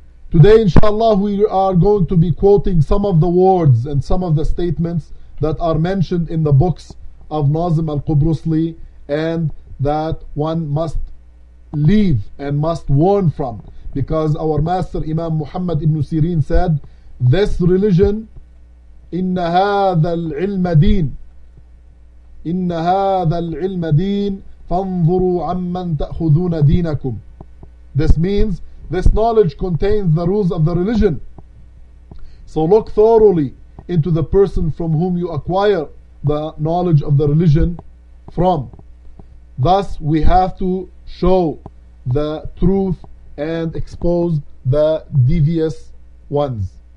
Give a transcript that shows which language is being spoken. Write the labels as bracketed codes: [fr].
[en] Today, inshallah, we are going to be quoting some of the words and some of the statements that are mentioned in the books of Nazim al-Qubrusli and that one must leave and must warn from. Because our master Imam Muhammad ibn Sirin said, this religion, [ar] إِنَّ هَذَا الْعِلْمَ دِينَ إِنَّ هَذَا الْعِلْمَ دِينَ فَانْظُرُوا عَمَّنْ تَأْخُذُونَ دِينَكُمْ. [en] This means, this knowledge contains the rules of the religion. So look thoroughly into the person from whom you acquire the knowledge of the religion from. Thus, we have to show the truth and expose the devious ones.